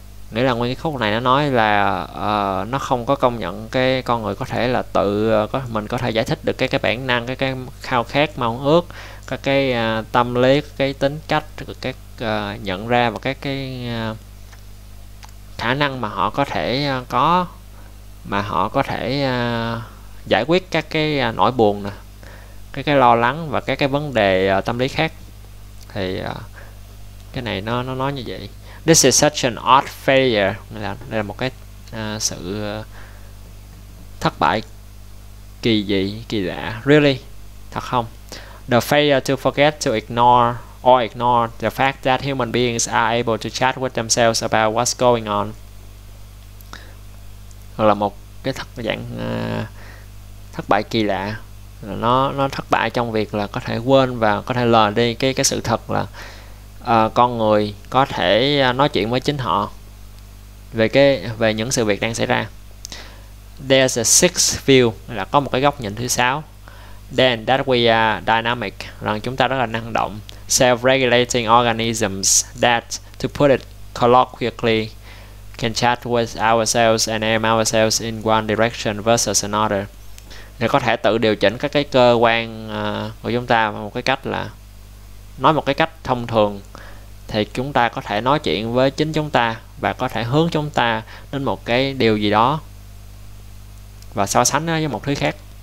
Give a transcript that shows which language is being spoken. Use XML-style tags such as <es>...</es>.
<vi>Nghĩa là nguyên cái khúc này nó nói là nó không có công nhận cái con người có thể là tự có mình có thể giải thích được cái bản năng, cái khao khát, mong ước, các cái tâm lý, cái tính cách, các nhận ra và các cái khả năng mà họ có thể có, mà họ có thể giải quyết các cái nỗi buồn nè, cái lo lắng và cái vấn đề tâm lý khác. Thì cái này nó nói như vậy.</vi> <en>This is such an odd failure.</en> <vi>Đây là một cái sự thất bại kỳ dị, kỳ lạ.</vi> <en>Really?</en> <vi>Thật không?</vi> <en>The failure to forget, to ignore, or ignore the fact that human beings are able to chat with themselves about what's going on.</en> <vi>Hoặc là một cái thất dạng thất bại kỳ lạ. Nó thất bại trong việc là có thể quên và có thể lờ đi cái sự thật là con người có thể nói chuyện với chính họ về những sự việc đang xảy ra.</vi> <en>There's a sixth view,</en> <vi>là có một cái góc nhìn thứ sáu.</vi> <en>Then that we are dynamic,</en> <vi>rằng chúng ta rất là năng động.</vi> <en>Self-regulating organisms that, to put it colloquially, can chat with ourselves and aim ourselves in one direction versus another.</en> <vi>Để có thể tự điều chỉnh các cái cơ quan của chúng ta một cái cách là nói một cái cách thông thường, thì chúng ta có thể nói chuyện với chính chúng ta và có thể hướng chúng ta đến một cái điều gì đó và so sánh với một thứ khác.</vi>